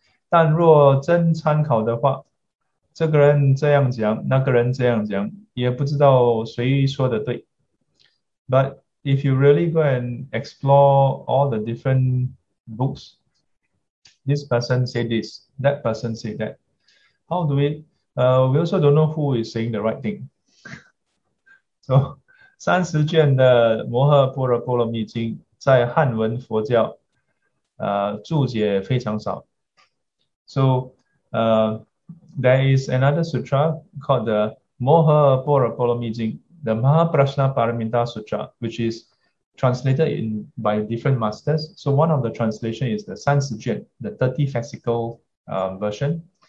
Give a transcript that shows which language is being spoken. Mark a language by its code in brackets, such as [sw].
[zh] 但若真参考的话，这个人这样讲，那个人这样讲，也不知道谁说的对。 [en] But if you really go and explore all the different books, this person say this, that person say that. How do we also don't know who is saying the right thing. [zh] So, 30卷的《摩诃般若波罗蜜经》在汉文佛教，注解非常少。 [en] So, there is another sutra called the Moha Bora Bora Mijing, the Mahaprajna Paramita Sutra, which is translated in by different masters. So one of the translation is the Sansijian, the 30 fascicle version.